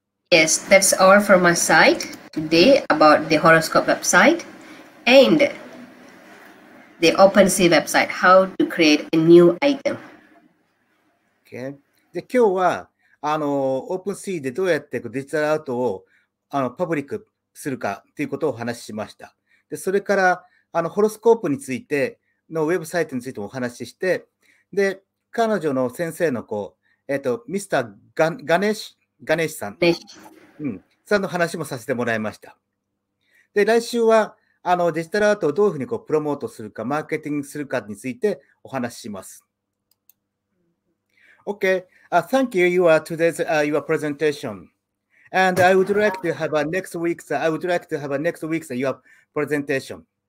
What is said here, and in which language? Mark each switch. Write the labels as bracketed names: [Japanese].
[English] Yes, that's all from my side today about the horoscope website and the OpenSea website, how to create a new item. Okay. [Japanese] で、今日は、OpenSea でどうやってデジタルアートを、パブリックするかということをお話ししました。で、それから、ホロスコープについてのウェブサイトについてもお話しして、で、彼女の先生の子、ミスター・ガネシュ、ガネーシュさん、さんの話もさせてもらいました。で、来週は、デジタルアートをどういうふうにこうプロモートするか、マーケティングするかについてお話しします。 [English] OK.、thank you, you are today's、your presentation. And I would like to have a next week's,、I would like to have a next week's your presentation.